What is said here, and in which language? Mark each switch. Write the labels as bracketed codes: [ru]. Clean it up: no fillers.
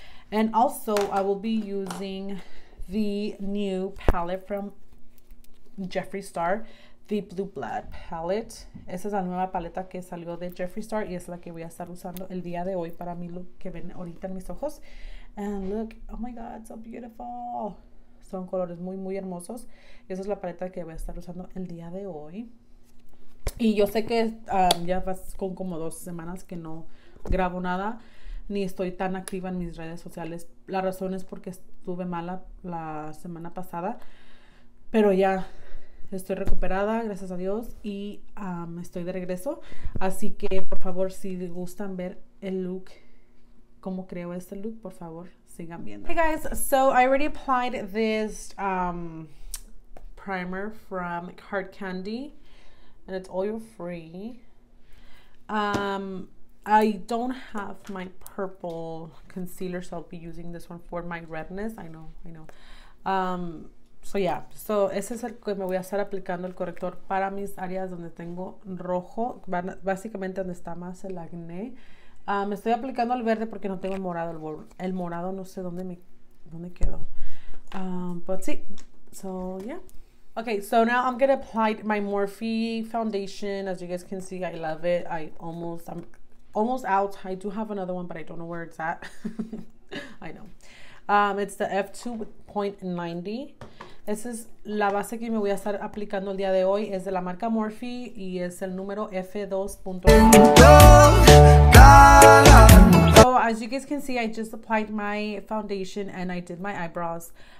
[en] And also I will be using the new palette from Jeffree Star. The Blue Blood Palette. [es] Esa es la nueva paleta que salió de Jeffree Star y es la que voy a estar usando el día de hoy para mi look que ven ahorita en mis ojos. [en] And look, oh my God, so beautiful. [es] Son colores muy, muy hermosos. Esa es la paleta que voy a estar usando el día de hoy. Y yo sé que ya vas con como 2 semanas que no grabo nada ni estoy tan activa en mis redes sociales. La razón es porque estuve mala la semana pasada, pero ya... Estoy recuperada, gracias a Dios, y estoy de regreso. Así que, por favor, si gustan ver el look, cómo creo este look, por favor, sigan viendo. [en] Hey guys, so I already applied this primer from Hard Candy, and it's oil free. I don't have my purple concealer, so I'll be using this one for my redness. I know. [es] So yeah, so ese es el que me voy a estar aplicando el corrector para mis áreas donde tengo rojo, básicamente donde está más el acné. Me estoy aplicando el verde porque no tengo el morado, el morado no sé dónde quedó. [en] But sí, so yeah. Okay, so now I'm gonna apply my Morphe foundation. As you guys can see, I love it. I'm almost out. I do have another one, but I don't know where it's at. I know. It's the F2.90. [es] Esa es la base que me voy a estar aplicando el día de hoy. Es de la marca Morphe y es el número F2.90. [en] So, as you guys can see, I just applied my foundation and I did my eyebrows.